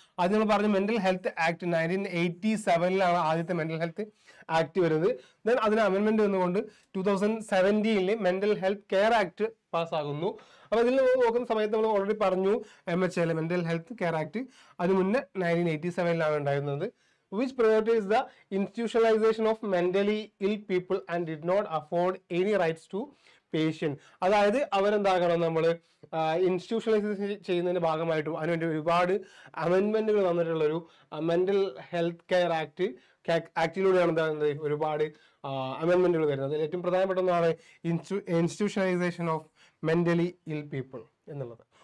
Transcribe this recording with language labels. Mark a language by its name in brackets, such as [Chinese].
[Malayalam] അത് നമ്മൾ പറഞ്ഞു മെൻ്റൽ ഹെൽത്ത് ആക്ട് 1987 ആദ്യത്തെ മെൻ്റൽ ഹെൽത്ത് ആക്ട് വരുന്നത്. ദെൻ അതിന് അമെൻമെൻ്റ് വന്നുകൊണ്ട് 2017 മെൻ്റൽ ഹെൽത്ത് കെയർ ആക്ട് പാസ്സാകുന്നു. അപ്പോൾ ഇതിൽ നോക്കുന്ന സമയത്ത് നമ്മൾ ഓൾറെഡി പറഞ്ഞു MHL mental health care act അത് മുന്നേ 1987 ഉണ്ടായിരുന്നത്. [English] Which prioritizes the institutionalization of mentally ill people and did not afford any rights to patient. [Malayalam] അതായത് അവരെന്താകണം, നമ്മൾ ഇൻസ്റ്റിറ്റ്യൂഷണലൈസ് ചെയ്യുന്നതിൻ്റെ ഭാഗമായിട്ടും അതിനുവേണ്ടി ഒരുപാട് അമെൻമെൻറ്റുകൾ വന്നിട്ടുള്ളൊരു മെൻ്റൽ ഹെൽത്ത് കെയർ ആക്ട് ആക്ടിലൂടെയാണ് എന്താ പറയുന്നത്, ഒരുപാട് അമെൻമെൻറ്റുകൾ വരുന്നത്. അതിൽ ഏറ്റവും പ്രധാനപ്പെട്ട ഒന്നാണ് [English] institutionalisation of mentally ill people [Malayalam] എന്നുള്ളത്.